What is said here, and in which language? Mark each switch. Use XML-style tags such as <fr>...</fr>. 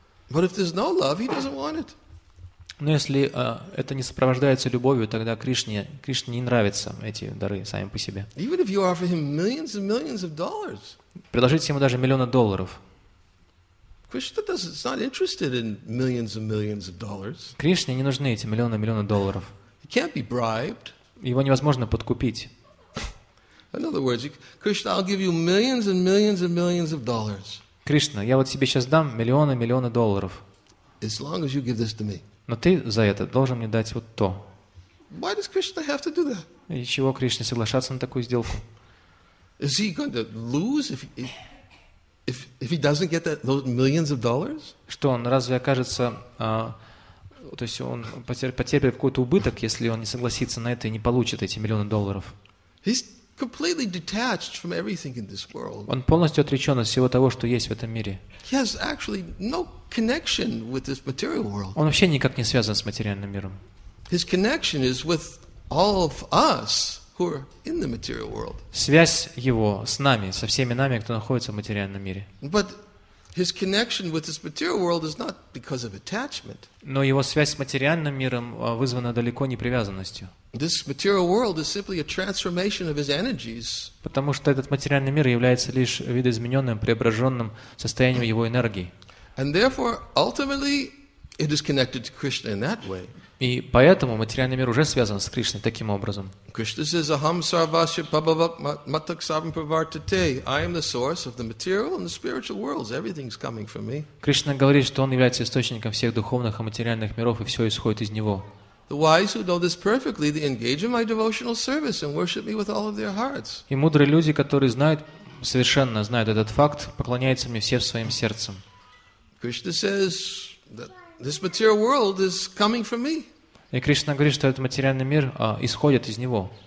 <ru>Но если это не сопровождается любовью, тогда Кришне не нравятся эти дары сами по себе. Предложите Ему даже миллионы долларов, Кришне не нужны эти миллионы долларов.</ru> <en>He can't be bribed.</en> <ru>Его невозможно подкупить.</ru> <en>In other words, Krishna, I'll give you millions and millions and millions of dollars.</en> <ru>Кришна, я вот тебе сейчас дам миллионы долларов.</ru> <en>As long as you give this to me.</en> <ru>Но ты за это должен мне дать вот то.</ru> <en>Why does Krishna have to do that?</en> <ru>И чего Кришне соглашаться на такую сделку?</ru> <en>Is he going to lose if he... If he doesn't get those millions of dollars?</en> <ru>Что он разве окажется, то есть он потерпит какой-то убыток, если он не согласится на это и не получит эти миллионы долларов?</ru> <en>He's completely detached from everything in this world.</en> <ru>Он полностью отречен от всего того, что есть в этом мире.</ru> <en>He has actually no connection with this material world.</en> <ru>Он вообще никак не связан с материальным миром.</ru> <en>His connection is with all of us who are in the material world.</en> <ru>Связь его с нами, со всеми нами, кто находится в материальном мире.</ru> <en>But his connection with this material world is not because of attachment.</en> <ru>Но его связь с материальным миром вызвана далеко не привязанностью.</ru> <en>This material world is simply a transformation of his energies.</en> <ru>Потому что этот материальный мир является лишь видоизмененным, преображенным состоянием его энергии.</ru> <en>And therefore, ultimately, it is connected to Krishna in that way.</en> <ru>И поэтому материальный мир уже связан с Кришной таким образом.</ru> <sa>Krishna says, "Aham sarvasya pabhavak matak sarvam pravartate."</sa> <en>I am the source of the material and the spiritual worlds. Everything is coming from me.</en> <ru>Кришна говорит, что он является источником всех духовных и материальных миров, и все исходит из него.</ru> <en>The wise who know this perfectly, they engage in my devotional service and worship me with all of their hearts.</en> <ru>И мудрые люди, которые знают, совершенно знают этот факт, поклоняются мне все своим сердцем.</ru> <en>Krishna says that this material world is coming from me.</en> <ru>И Кришна говорит, что этот материальный мир исходит из него.</ru>